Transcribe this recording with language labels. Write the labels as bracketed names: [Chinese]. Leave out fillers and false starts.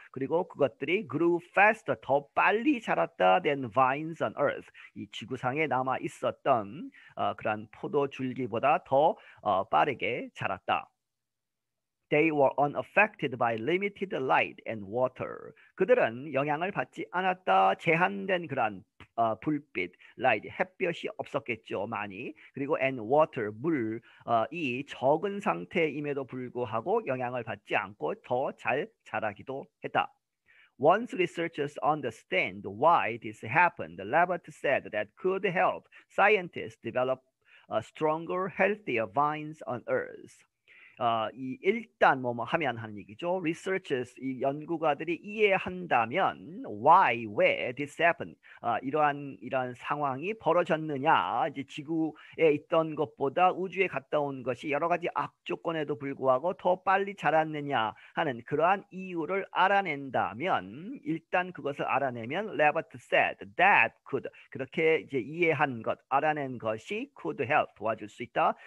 [Korean] 그리고 그것들이 [English] grew faster, [Korean] 더 빨리 자랐다 [English] than vines on earth, [Korean] 이 지구상에 남아 있었던 그러한 포도 줄기보다 더 빠르게 자랐다. [English] They were unaffected by limited light and water. [Korean] 그들은 영향을 받지 않았다. 제한된 그런 불빛, light, 햇볕이 없었겠죠, 많이. 그리고 [English] and water, [Korean] 물, 이 적은 상태임에도 불구하고 영향을 받지 않고 더 잘 자라기도 했다. [English] Once researchers understand why this happened, Levert said that could help scientists develop stronger, healthier vines on Earth. [Korean] 이 일단 뭐뭐 하면 하는 얘기죠. Researchers, 이 연구가들이 이해한다면 why, 왜 [English] this happened, [Korean] 이러한 상황이 벌어졌느냐, 이제 지구에 있던 것보다 우주에 갔다 온 것이 여러 가지 악조건에도 불구하고 더 빨리 자랐느냐 하는 그러한 이유를 알아낸다면, 일단 그것을 알아내면 [English] Levert said that could, [Korean] 그렇게 이제 이해한 것, 알아낸 것이 [English] could help, [Korean] 도와줄 수 있다.